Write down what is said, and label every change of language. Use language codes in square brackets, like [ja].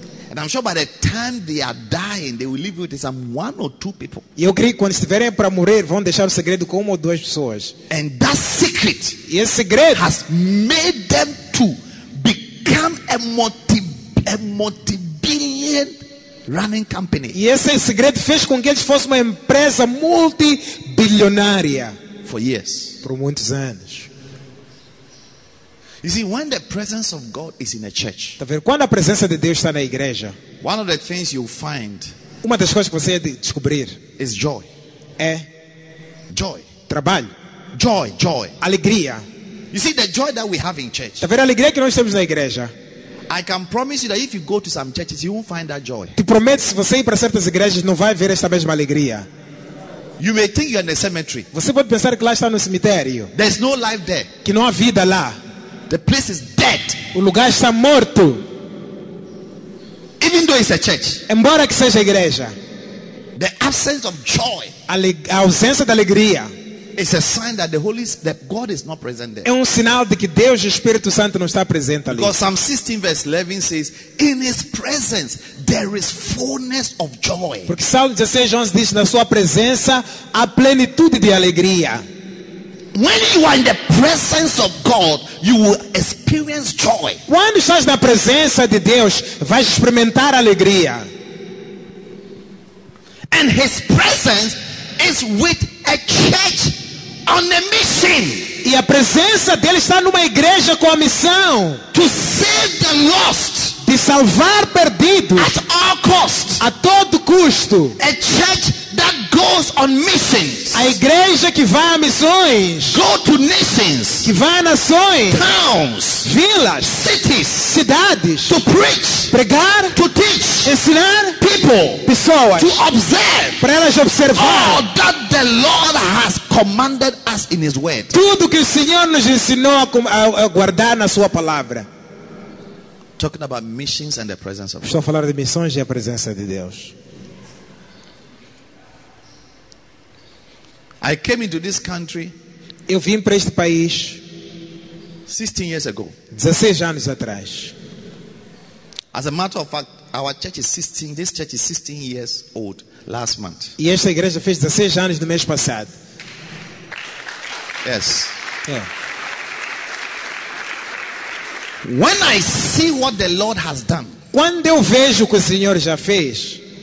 [en] And I'm sure by the time they are dying, they will leave you with some one or two people. [pt] Eu creio que quando estiverem para morrer, vão deixar o segredo com uma ou duas pessoas. [en] And that secret, [pt] esse segredo, [en] has made them to become a multi-billion running company. [pt] E esse segredo fez com que eles fossem uma empresa multibilionária [en] for years, [pt] por muitos anos. [en] You see, when the presence of God is in a church, [pt] quando a presença de Deus está na igreja, [en] one of the things you'll find, [pt] uma das coisas que você vai descobrir, [en] is joy. [pt] É [en] joy. [pt] Trabalho. [en] Joy, joy. [pt] Alegria. [en] You see, the joy that we have in church. [pt] A alegria que nós temos na igreja. [en] I can promise you that if you go to some churches, you won't find that joy. [pt] Te prometo, se você ir para certas igrejas, não vai ver esta mesma alegria. [en] You may think you're in a cemetery. [pt] Você pode pensar que lá está no cemitério. [en] There's no life there. [pt] Que não há vida lá. [en] The place is dead. [pt] O lugar está morto. [en] Even though it's a church, [pt] embora que seja igreja, [en] the absence of joy, [pt] a ausência de alegria, [en] is a sign that the Holy Spirit, that God is not present there. [pt] É um sinal de que Deus, o Espírito Santo, não está presente ali. [en] Because Psalm 16 verse 11 says, "In His presence there is fullness of joy." [pt] Porque Salmo 16, 11 diz, na sua presença há plenitude de alegria. [en] When you are in the presence of God, you will experience joy. [pt] Quando estás na presença de Deus, vais experimentar alegria. [en] And His presence is with a church on a mission. [pt] E a presença dele está numa igreja com a missão [en] to save the lost. [pt] De salvar perdidos. [en] At all cost. [pt] A todo custo. [en] A church that goes on missions. [pt] A igreja que vai a missões. [en] Go to nations. [pt] Que vai a nações. [en] Towns. [pt] Vilas. [en] Cities. [pt] Cidades. [en] To preach. [pt] Pregar. [en] To teach. [pt] Ensinar. [en] People. [pt] Pessoas. [en] To observe. [pt] Para elas observar. [en] All that the Lord has commanded us in His word. [pt] Tudo que o Senhor nos ensinou a guardar na sua palavra. [en] Talking about missions and the presence of God. [pt] Estou a falar de missões e a presença de Deus. [en] I came into this country. [pt] Eu vim para este país [en] 16 years ago. [pt] 16 anos atrás. [en] As a matter of fact, Our church is 16. This church is 16 years old last month. [pt] E esta igreja fez 16 anos no mês passado. [en] Yes. Yeah. When I see what the Lord has done. [pt] Quando eu vejo o que o Senhor já fez.